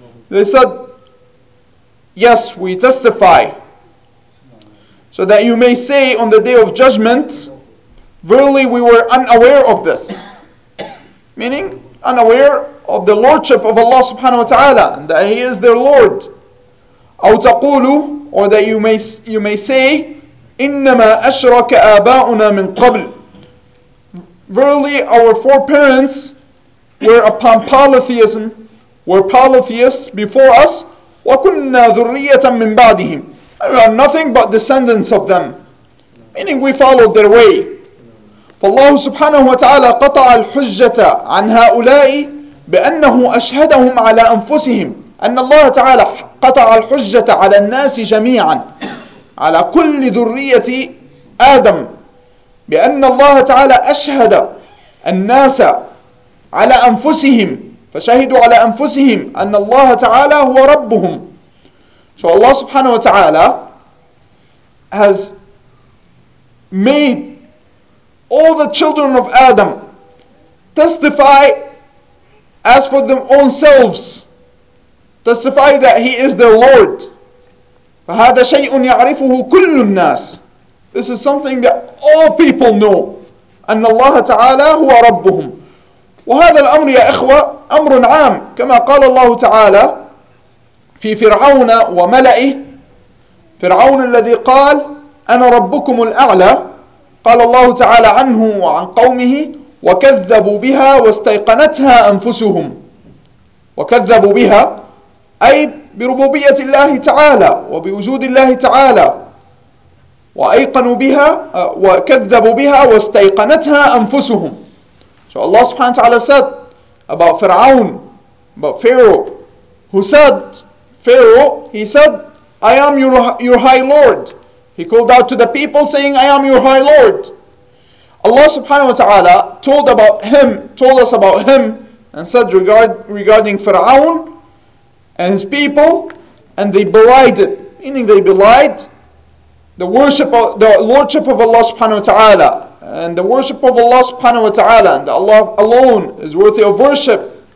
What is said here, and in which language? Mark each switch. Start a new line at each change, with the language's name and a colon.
English: They said, yes, we testify. So that you may say on the day of judgment, verily we were unaware of this. Meaning, unaware of the lordship of Allah subhanahu wa ta'ala, and that He is their Lord.
Arabic: أو تقولوا,
English: or that you may say,
Arabic: إِنَّمَا أَشْرَكَ آبَاؤُنَا مِنْ قَبْلِ.
English: Verily, our foreparents were upon polytheism, were polytheists before us,
Arabic: وَكُنَّا ذُرِّيَّةً مِنْ بَعْدِهِمْ.
English: We are nothing but descendants of them. Meaning we followed their way.
Arabic: فالله سبحانه وتعالى قطع الحجة عن هؤلاء بأنه أشهدهم على أنفسهم. أن الله تعالى قطع الحجة على الناس جميعا على كل ذرية آدم بأن الله تعالى أشهد الناس على أنفسهم فشهدوا على أنفسهم أن الله تعالى هو ربهم.
English: So Allah subhanahu wa ta'ala has made all the children of Adam testify as for their own selves, testify that He is their Lord.
Arabic: فهذا شيء يعرفه كل الناس.
English: This is something that all people know.
Arabic: أن الله تعالى هو ربهم. وهذا الأمر يا إخوة أمر عام. كما قال الله تعالى في فرعون وملئه. فرعون الذي قال أنا ربكم الأعلى. قال الله تعالى عنه وعن قومه وكذبوا بها واستيقنتها أنفسهم. وكذبوا بها أي بربوبية الله تعالى وبوجود الله تعالى وأيقنوا بها وكذبوا بها واستيقنتها أنفسهم.
English: So Allah subhanahu wa ta'ala said about Fir'aun, about Pharaoh, who said, Pharaoh, he said, I am your high Lord. He called out to the people saying, I am your high Lord. Allah subhanahu wa ta'ala told us about him and said regarding Fir'aun and his people, and they belied it, meaning they belied the worship of the lordship of Allah subhanahu wa ta'ala, and the worship of Allah subhanahu wa ta'ala, and that Allah alone is worthy of worship.